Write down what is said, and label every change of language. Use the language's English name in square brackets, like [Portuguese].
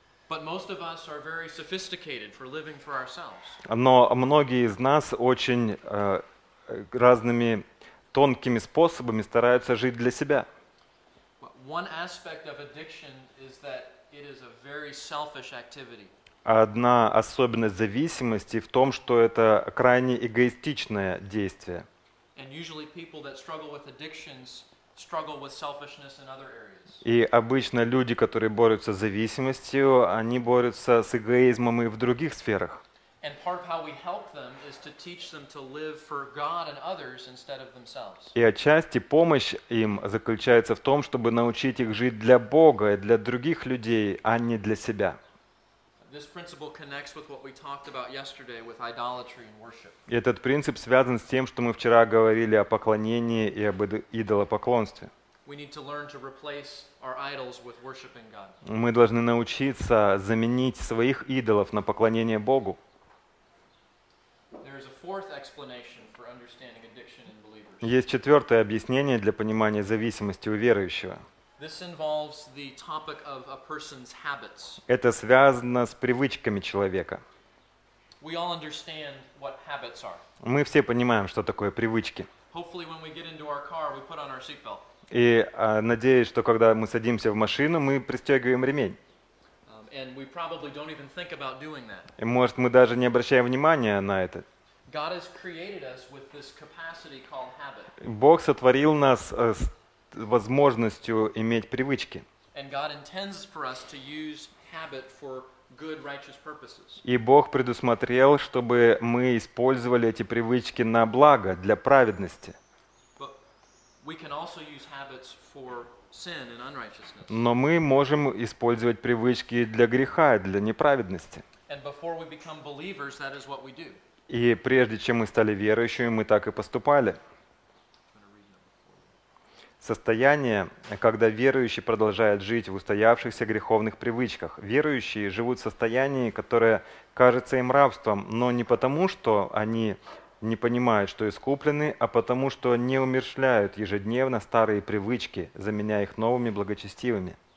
[Russian] Но многие из нас очень разными тонкими способами стараются жить для себя. [English] One aspect of addiction is that it is a very selfish activity. [Russian] Одна особенность зависимости в том, что это крайне эгоистичное действие. [English] And usually people that struggle with addictions struggle with selfishness in other areas. [Russian] И обычно люди, которые борются с зависимостью, они борются с эгоизмом и в других сферах. [English] And part of how we help them is to teach them to live for God and others instead of themselves. [Russian] И отчасти помощь им заключается в том, чтобы научить их жить для Бога и для других людей, а не для себя. [English] This principle connects with what we talked about yesterday with idolatry and worship. [Russian] Этот принцип связан с тем, что мы вчера говорили о поклонении и об идолопоклонстве. [English] We need to learn to replace our idols with worshiping God. [Russian] Мы должны научиться заменить своих идолов на поклонение Богу. [English] There is a fourth explanation for understanding addiction in believers. [Russian] Есть четвертое объяснение для понимания зависимости у верующего. [English] This involves the topic of a person's habits. [Russian] Это связано с привычками человека. [English] We all understand what habits are. [Russian] Мы все понимаем, что такое привычки. [English] Hopefully, when we get into our car, we put on our seatbelt. [Russian] И надеюсь, что когда мы садимся в машину, мы пристегиваем ремень. [English] And we probably don't even think about doing that. [Russian] И может, мы даже не обращаем внимания на это. [English] God has created us with this capacity called habit. [Russian] Бог сотворил нас с возможностью иметь привычки. [English] And God intends for us to use habit for good, righteous purposes. [Russian] И Бог предусмотрел, чтобы мы использовали эти привычки на благо, для праведности. [English] But we can also use habits for sin and unrighteousness. [Russian] Но мы можем использовать привычки для греха, для неправедности. [English] And before we become believers, that is what we do. [Russian] И прежде чем мы стали верующими, мы так и поступали. Состояние, когда верующий продолжает жить в устоявшихся греховных привычках. Верующие живут в состоянии, которое кажется им рабством, но не потому, что они не понимают, что искуплены, а потому, что не умерщвляют ежедневно старые привычки, заменяя их новыми благочестивыми.